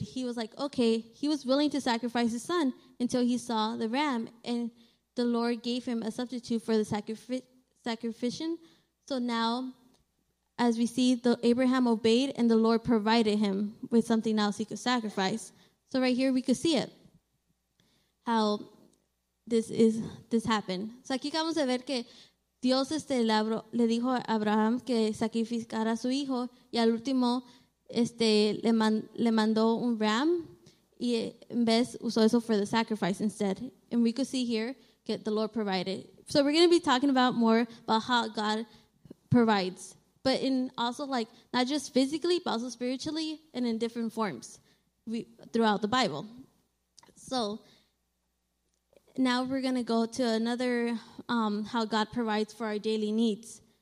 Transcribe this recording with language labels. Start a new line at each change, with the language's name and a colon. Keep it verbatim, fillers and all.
English: He was like, okay, he was willing to sacrifice his son until he saw the ram, and the Lord gave him a substitute for the sacrific- sacrificial. So now, as we see, the Abraham obeyed, and the Lord provided him with something else he could sacrifice. So right here, we could see it, how this is this happened.
Spanish: So aquí vamos a ver que Dios este, le dijo a Abraham que sacrificara a su hijo, y al último este, le, man, le mandó un ram, y en vez usó eso
English: for the sacrifice instead. And we could see here that the Lord provided. So we're going to be talking about more about how God provides, but in also like not just physically, but also spiritually and in different forms we, throughout the Bible. So now we're going to go to another, um, how God provides for our daily needs.